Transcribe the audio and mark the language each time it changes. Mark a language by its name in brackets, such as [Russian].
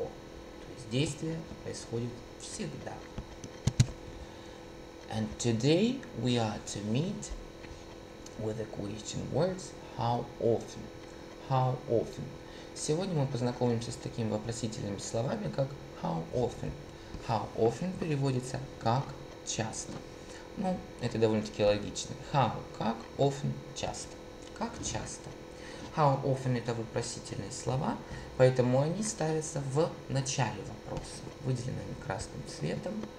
[Russian] То есть действие происходит всегда. [English] And today we are to meet with the question words how often. How often. [Russian] Сегодня мы познакомимся с такими вопросительными словами, как how often. How often переводится как часто. Ну, это довольно-таки логично. How – как, often – часто. Как часто. How often – это вопросительные слова, поэтому они ставятся в начале вопроса, выделенными красным цветом.